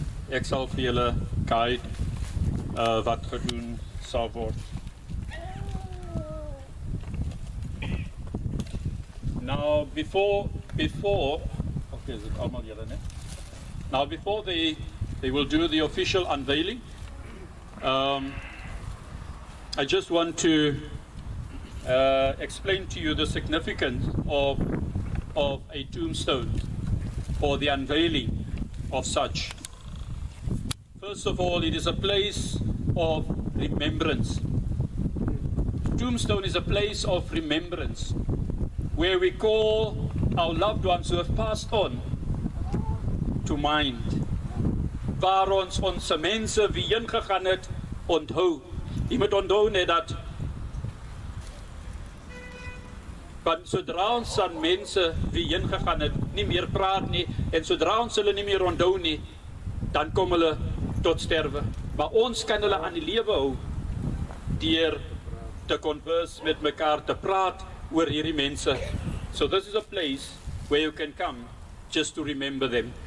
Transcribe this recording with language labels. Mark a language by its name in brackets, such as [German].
[Afrikaans] Ek sal vir julle guide wat gedoen sal word. [English] Now before they will do the official unveiling, I just want to explain to you the significance of a tombstone for the unveiling of such. First of all, it is a place of remembrance. Tombstone is a place of remembrance, where we call our loved ones who have passed on to mind. [Afrikaans] Waar ons onze mensen wie ingegaan het onthou. Jy moet onthou net dat want sodra ons aan mensen wie ingegaan het nie meer praat nie, en sodra ons hulle nie meer onthou nie, dan kom hulle tot sterwe. Maar ons kan hulle aan die lewe hou deur te converse met mekaar, te praat oor hierdie mense. [English] So this is a place where you can come just to remember them.